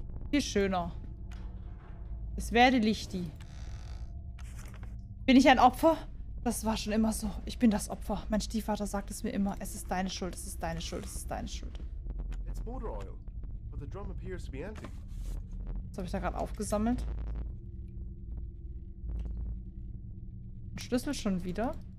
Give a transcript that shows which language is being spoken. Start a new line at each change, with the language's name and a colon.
German: Viel schöner. Es werde Lichti. Bin ich ein Opfer? Das war schon immer so. Ich bin das Opfer. Mein Stiefvater sagt es mir immer. Es ist deine Schuld, es ist deine Schuld, es ist deine Schuld.
English: It's motor oil, but the drum appears to be empty.
German: Was habe ich da gerade aufgesammelt? Ein Schlüssel schon wieder?